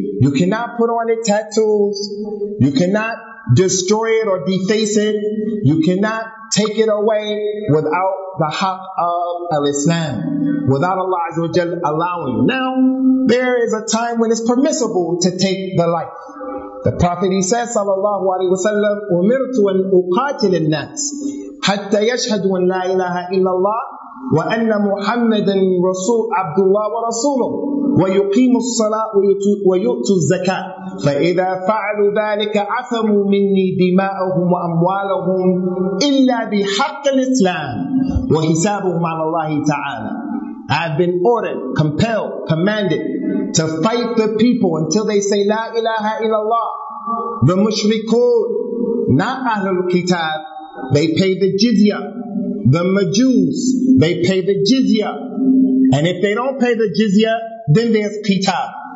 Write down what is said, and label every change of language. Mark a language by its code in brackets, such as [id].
[en] You cannot put on it tattoos, you cannot destroy it or deface it, you cannot take it away without the haq of al-Islam, without Allah Azza wa Jalla allowing you. Now, there is a time when it's permissible to take the life. The Prophet, he says, sallallahu alayhi wa sallam, [ar] أُمِرْتُ أَنْ أُقَاتِلِ النَّاسِ حَتَّى يَشْهَدُوا أَنْ لَا إِلَهَ إِلَّا اللَّهِ وَأَنَّ مُحَمَّدًا عَبْدُ اللَّهِ وَرَسُولُهُ وَيُقِيمُ الصَّلَاةُ وَيُؤْتُ الزَّكَاةُ فَإِذَا فَعَلُوا ذَلِكَ عَثَمُوا مِنِّي دِمَاءُهُمْ وَأَمْوَالَهُمْ إِلَّا بِحَقِّ الْإِسْلَامِ وَحِسَابُهُمْ عَلَى اللَّهِ تَعَالَى. [en] I've been ordered, compelled, commanded to fight the people until they say La ilaha illallah. The mushrikun, not Ahlul Kitab, they pay the jizya. The Majus, they pay the jizya. And if they don't pay the jizya, then there's kitab.